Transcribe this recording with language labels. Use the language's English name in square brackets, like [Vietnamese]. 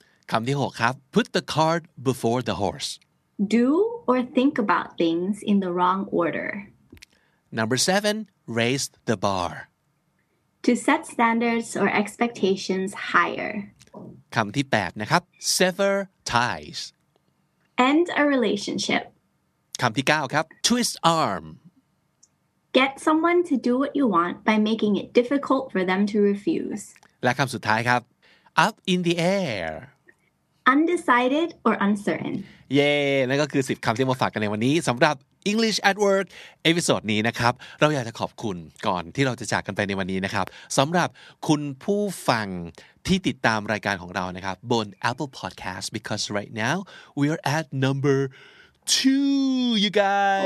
[Thai] คำที่6ครับ [English] put the cart before the horse Do or think about things in the wrong order. Number 7, raise the bar. To set standards or expectations higher. [Thai] คำที่8นะครับ sever ties. [English] End a relationship. [Thai] คำที่9ครับ twist arm. [English] Get someone to do what you want by making it difficult for them to refuse. [Thai] และคำสุดท้ายครับ [English] up in the air. Undecided or uncertain. Yay! [Thai] นั่นก็คือ10คำที่มาฝากกันในวันนี้สำหรับ English at Work เอพิโซดนี้นะครับเราอยากจะขอบคุณก่อนที่เราจะจากกันไปในวันนี้นะครับสำหรับคุณผู้ฟังที่ติดตามรายการของเรานะครับบน Apple Podcast [English] because right now we are at number 2 you guys.